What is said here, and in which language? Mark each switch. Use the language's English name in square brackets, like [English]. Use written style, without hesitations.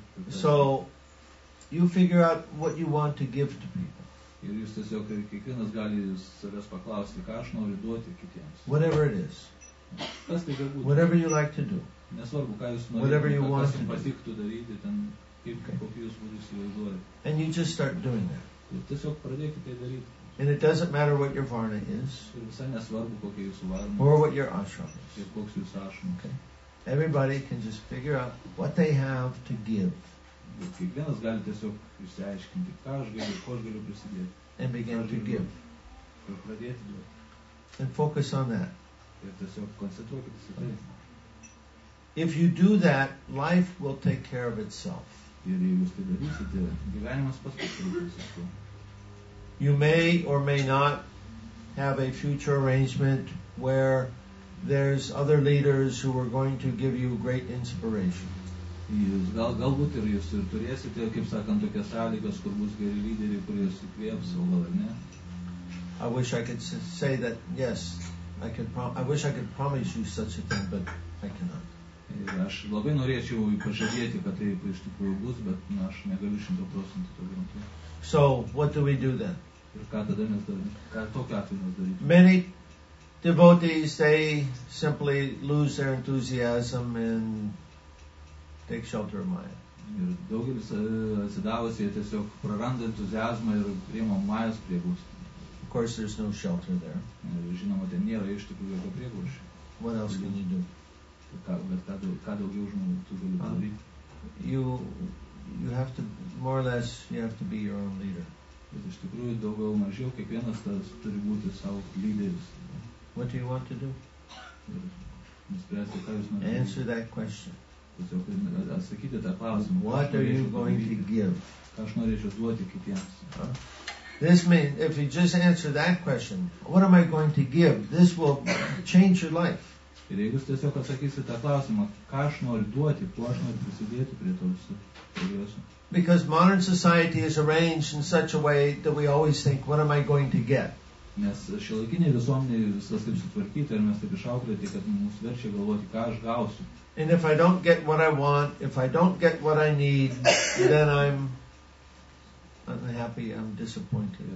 [English] So, you figure out what you want to give to people. [Lithuanian] Ir jūs tiesiog kiekvienas gali savęs paklausti, ką aš noriu duoti kitiems. [English] Whatever it is. [Lithuanian] Kas tai galbūt. [English] Whatever you like to do. [Lithuanian] Nesvarbu, ką jūs norėtų, kas jums patiktų daryti, ten, kaip kokį jūs būtų įsivaizduoti. [English] And you just start doing that. [Lithuanian] Ir tiesiog pradėkite daryti. [English] And it doesn't matter what your varna is. [Lithuanian] Ir visai nesvarbu, kokia jūsų varna. [English] Or what your ashram is. [Lithuanian] Ir koks jūsų ashram. [English] Okay. Everybody can just figure out what they have to give. [Lithuanian] Ir kiekvienas gali tiesiog išsiaiškinti, ką aš galiu prisidėti. [English] And begin to give. [Lithuanian] ir pradėti duoti. [English] And focus on that. [Lithuanian] Ir tiesiog koncentruokitės į tai. [English] If you do that, life will take care of itself. [Lithuanian] Ir jei jūs tai darysite, gyvenimas pats pasirūpins. [English] You may or may not have a future arrangement where there's other leaders who are going to give you great inspiration. [Lithuanian] Jūs galbūt ir jūs ir turėsite, kaip sakant, tokias sąlygas, kur bus geri lyderiai, kurie jūs įkvėps, o gal ir ne. [English] I wish I could say that yes, I could. I wish I could promise you such a thing, but I cannot. [Lithuanian] Aš labai norėčiau pažadėti, kad tai iš tikrųjų bus, bet aš negaliu 100% to garantuoti. [English] So what do we do then? [Lithuanian] Ir ką tada mes darome? Ką tokiu atveju mes darome? [English] Many devotees, they simply lose their enthusiasm and take shelter of Maya. [Lithuanian] Ir daugelis atsidavusi tiesiog praranda entuziazmą ir priima Majas prieglobstį. [English] Of course, there's no shelter there. [Lithuanian] Žinoma, ten nėra iš tikrųjų jokio prieglobsčio. [English] What else can you do? [Lithuanian] Ką daugiau žmonių tu gali padaryti? [English] You have to, more or less, you have to be your own leader. [Lithuanian] Bet iš tikrųjų, daugiau mažiau, kiekvienas tas turi būti savo lyderis. [English] What do you want to do? [Lithuanian] Nuspręsti, ką jūs norite. [English] Answer that question. [Lithuanian] Tiesiog atsakyti tą klausimą. [English] What are you going to give? [Lithuanian] Ką aš norėčiau duoti kitiems? [English] This means, if you just answer that question, what am I going to give? This will change your life. [Lithuanian] Ir jeigu jūs tiesiog atsakysite tą klausimą, ką aš noriu duoti, kuo aš noriu prisidėti prie to visų progreso. [English] Because modern society is arranged in such a way that we always think, what am I going to get? [Lithuanian] Nes šiuolaikinė visuomenė visas taip sutvarkyta ir mes taip išauklėti, kad mums verčia galvoti, ką aš gausiu. [English] And if I don't get what I want, if I don't get what I need, then I'm unhappy, I'm disappointed.